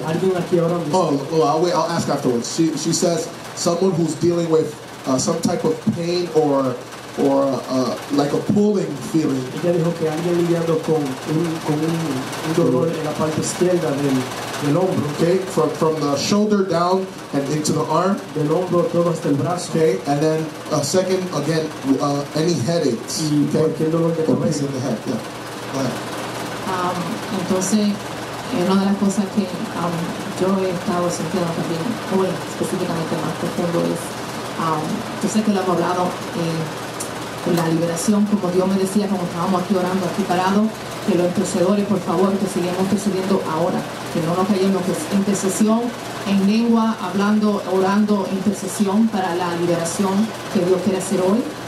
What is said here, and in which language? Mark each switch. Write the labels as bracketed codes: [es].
[es] Alguien aquí ahora mismo. [en] Oh, I'll wait. I'll ask afterwards. She says someone who's dealing with some type of pain or like a pulling feeling. [es] Ella dijo que alguien lidiando con un dolor en la parte izquierda del hombro. [en] Okay, from the shoulder down and into the arm. [es] Del hombro todo hasta el brazo. [en] Okay, and then a second again, any headaches. [es] Y cualquier dolor de cabeza. [en] Pain in the head. Yeah. Go ahead. [es] Entonces, una de las cosas que yo he estado sintiendo también hoy específicamente más profundo es, yo sé que lo hemos hablado. La liberación, como Dios me decía cuando estábamos aquí orando, aquí parado, que los intercedores, por favor, que sigamos intercediendo ahora, que no nos callemos, que es intercesión en lengua, hablando, orando, intercesión para la liberación que Dios quiere hacer hoy.